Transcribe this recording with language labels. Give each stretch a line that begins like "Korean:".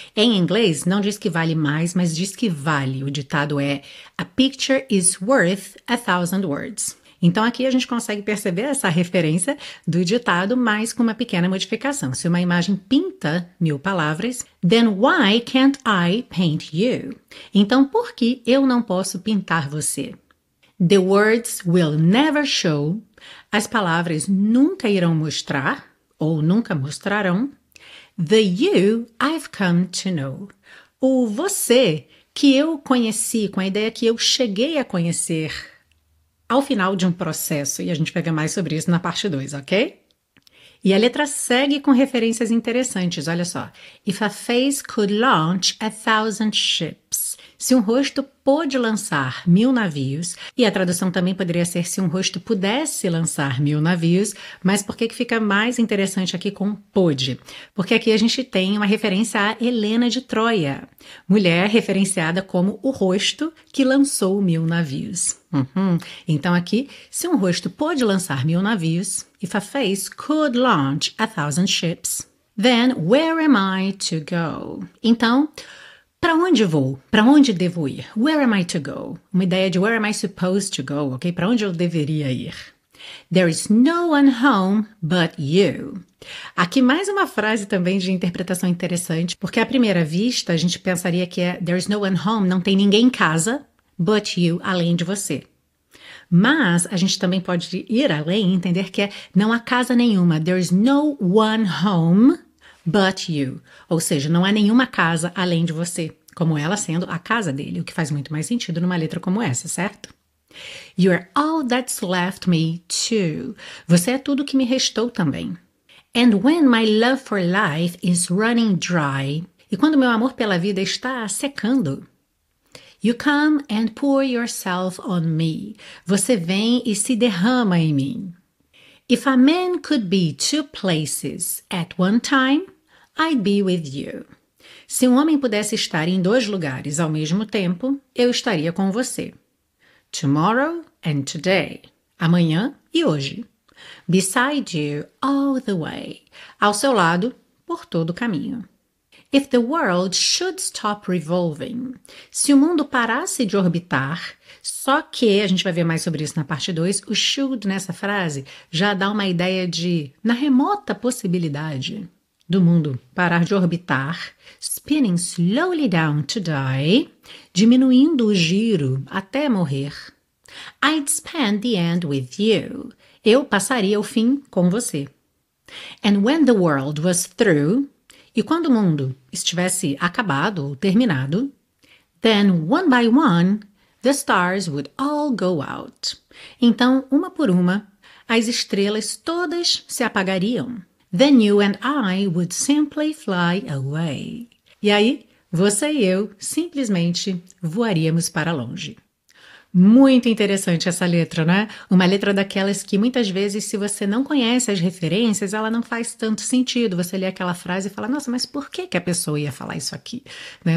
Portuguese: Em inglês, não diz que vale mais, mas diz que vale. O ditado é
English: A picture is worth a thousand words.
Portuguese: Então aqui a gente consegue perceber essa referência do ditado, mas com uma pequena modificação. Se uma imagem pinta 1.000 palavras,
English: then why can't I paint you?
Portuguese: Então por que eu não posso pintar você?
English: The words will never show.
Portuguese: As palavras nunca irão mostrar ou nunca mostrarão.
English: The you I've come to know.
Portuguese: O você que eu conheci, com a ideia que eu cheguei a conhecer ao final de um processo, e a gente pega mais sobre isso na parte 2, ok? E a letra segue com referências interessantes, olha só.
English: If a face could launch a thousand ships.
Portuguese: Se um rosto pôde lançar 1.000 navios, e a tradução também poderia ser se um rosto pudesse lançar 1.000 navios, mas por que que fica mais interessante aqui com pôde? Porque aqui a gente tem uma referência à Helena de Troia, mulher referenciada como o rosto que lançou 1.000 navios. Então aqui, se um rosto pôde lançar 1.000 navios,
English: if a face could launch a thousand ships, then where am I to go?
Portuguese: Então, para onde vou? Para onde devo ir?
English: Where am I to go?
Portuguese: Uma ideia de
English: where am I supposed to go,
Portuguese: ok? Para onde eu deveria ir?
English: There is no one home but you.
Portuguese: Aqui mais uma frase também de interpretação interessante, porque à primeira vista a gente pensaria que é
English: there is no one home,
Portuguese: não tem ninguém em casa, but you, além de você. Mas a gente também pode ir além e entender que é não há casa nenhuma.
English: There is no one home but you.
Portuguese: Ou seja, não há nenhuma casa além de você, como ela sendo a casa dele, o que faz muito mais sentido numa letra como essa, certo?
English: You're all that's left me too.
Portuguese: Você é tudo que me restou também.
English: And when my love for life is running dry.
Portuguese: E quando meu amor pela vida está secando.
English: You come and pour yourself on me.
Portuguese: Você vem e se derrama em mim.
English: If a man could be two places at one time, I'd be with you.
Portuguese: Se um homem pudesse estar em dois lugares ao mesmo tempo, eu estaria com você.
English: Tomorrow and today.
Portuguese: Amanhã e hoje.
English: Beside you all the way.
Portuguese: Ao seu lado, por todo o caminho.
English: If the world should stop revolving,
Portuguese: se o mundo parasse de orbitar, só que, a gente vai ver mais sobre isso na parte 2, o should nessa frase já dá uma ideia de, na remota possibilidade do mundo parar de orbitar,
English: spinning slowly down to die,
Portuguese: diminuindo o giro até morrer,
English: I'd spend the end with you.
Portuguese: Eu passaria o fim com você.
English: And when the world was through,
Portuguese: e quando o mundo estivesse acabado ou terminado,
English: then one by one, the stars would all go out.
Portuguese: Então, uma por uma, as estrelas todas se apagariam.
English: Then you and I would simply fly away.
Portuguese: E aí, você e eu simplesmente voaríamos para longe. Muito interessante essa letra, não é? Uma letra daquelas que muitas vezes, se você não conhece as referências, ela não faz tanto sentido. Você lê aquela frase e fala, nossa, mas por que que a pessoa ia falar isso aqui, né?